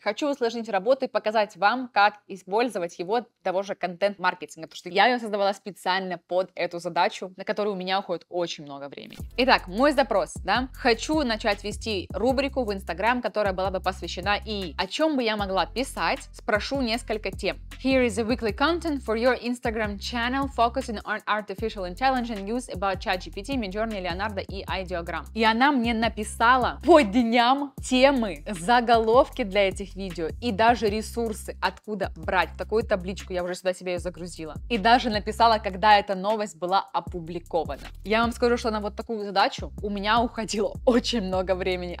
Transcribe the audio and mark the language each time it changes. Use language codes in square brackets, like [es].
[ru] Хочу усложнить работу и показать вам, как использовать его того же контент-маркетинга, потому что я ее создавала специально под эту задачу, на которую у меня уходит очень много времени. Итак, мой запрос, да? Хочу начать вести рубрику в Instagram, которая была бы посвящена ИИ. О чем бы я могла писать? Спрошу несколько тем. [en] Here is a weekly content for your Instagram channel focusing on artificial intelligence news about ChatGPT, Midjourney, Leonardo и Ideogram. [ru] И она мне написала по дням темы, заголовки для этих видео и даже ресурсы, откуда брать. Такую табличку я уже сюда себе ее загрузила. И даже написала, когда эта новость была опубликована. Я вам скажу, что на вот такую задачу у меня уходило очень много времени.